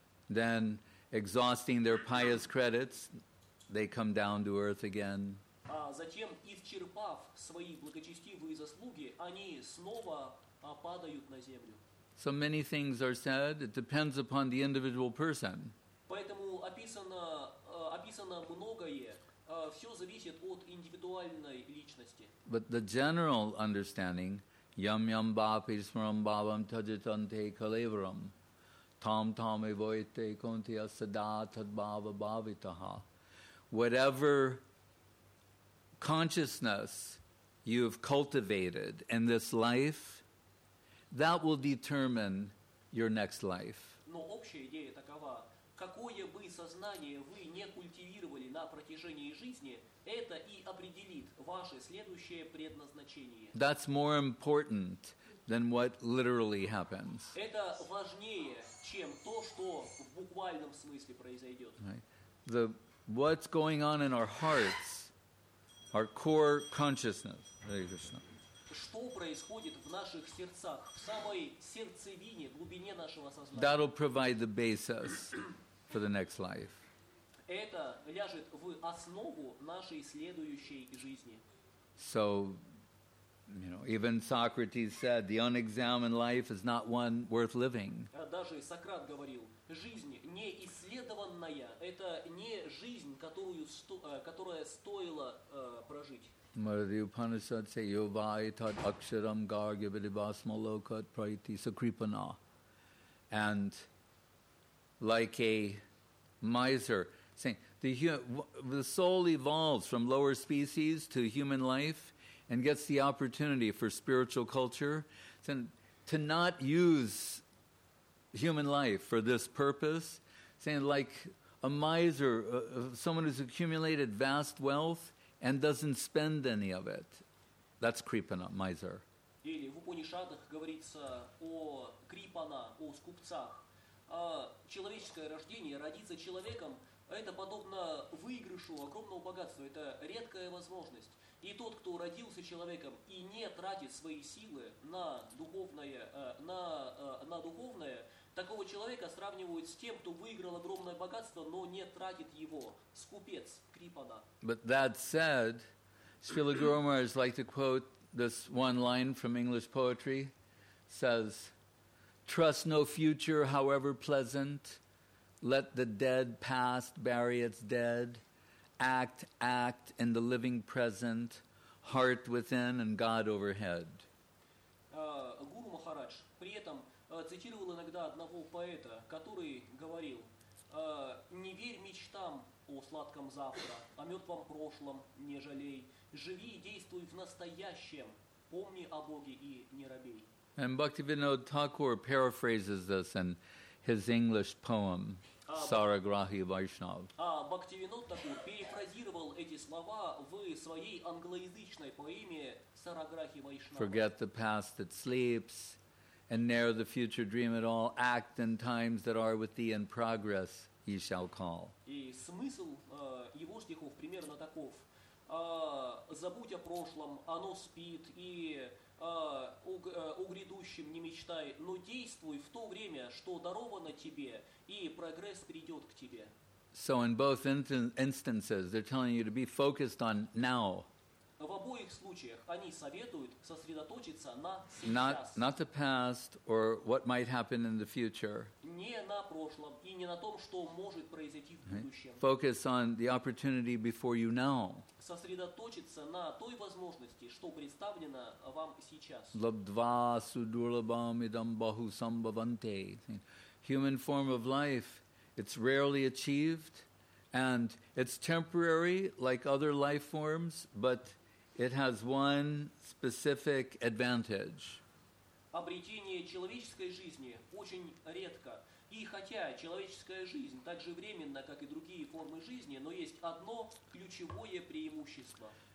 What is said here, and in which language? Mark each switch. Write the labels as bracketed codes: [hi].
[en] Then, exhausting their pious credits, they come down to earth again. [ru] Затем, исчерпав свои благочестивые заслуги, они снова падают на землю. [en] So many things are said. It depends upon the individual person. [ru] Поэтому описано многое. Все зависит от индивидуальной личности. [en] But the general understanding, [sa] yam yam bapi smram babam tajitante kalevaram. Tam tam evoite konti asada tad bhava bhavitaha. [en] Whatever consciousness you have cultivated in this life, that will determine your next life. [ru] Но общая идея такова: какое бы сознание вы не культивировали на протяжении жизни, это и определит ваше следующее предназначение. [en] That's more important than what literally happens. [ru] Это важнее, чем то, что в буквальном смысле произойдет. [en] The what's going on in our hearts, our core consciousness. Hare Krishna. [ru] Что происходит в наших сердцах, в самой сердцевине, глубине нашего сознания? [en] That'll provide the basis for the next life. [ru] Это ляжет в основу нашей следующей жизни. [en] So, you know, even Socrates said, the unexamined life is not one worth living. [ru] Даже Сократ говорил, жизнь неисследованная – это не жизнь, которая стоила прожить. [en] What did the Upanishad say? [sa] Yovai tad aksharam gargivadivasma lokat praiti sakripana. [en] And like a miser, saying, the soul evolves from lower species to human life and gets the opportunity for spiritual culture. Then to not use human life for this purpose, saying like a miser, someone who's accumulated vast wealth and doesn't spend any of it. That's Kripana, miser. [ru] Или в Упанишадах говорится о Крипана, о скупцах. Человеческое рождение, родиться человеком, это подобно выигрышу огромного богатства. Это редкая возможность. И тот, кто родился человеком и не тратит свои силы на духовное, такого человека сравнивают с тем, кто выиграл огромное богатство, но не тратит его. Скупец Крипана. [en] But that said, Srila Guru Maharaj like to quote this one line from English poetry, says, trust no future, however pleasant. Let the dead past bury its dead. Act in the living present. Heart within and God overhead. [ru] Гуру Махарадж при этом цитировал иногда одного поэта, который говорил, не верь мечтам о сладком завтра, о мертвом прошлом не жалей. Живи и действуй в настоящем. Помни о Боге и не робей. [en] And Bhaktivinoda Thakur paraphrases this in his English poem, Saragrahi Vaishnav. [ru] Bhaktivinoda Thakur перефразировал эти слова в своей англоязычной поэме Saragrahi Vaishnav. [en] Forget the past that sleeps, and ne'er the future dream at all. Act in times that are with thee in progress, ye shall call. [ru] И смысл его стихов примерно таков. Забудь о прошлом, оно спит, и о грядущем не мечтай, но действуй в то время, что даровано тебе, и прогресс придет к тебе. [en] So in both instances, they're telling you to be focused on now. [ru] В обоих случаях они советуют сосредоточиться на сейчас. [en] Not the past or what might happen in the future. [ru] Не на прошлом и не на том, что может произойти в будущем. [en] Focus on the opportunity before you now. [ru] Сосредоточиться на той возможности, что представлено вам сейчас. [sa] Лабдва судурлабам идам баху самбаванте. [en] Human form of life, it's rarely achieved. And it's temporary, like other life forms, but it has one specific advantage. [ru] Обретение человеческой жизни очень редко. И хотя человеческая жизнь так же временна, как и другие формы жизни, но есть одно ключевое преимущество.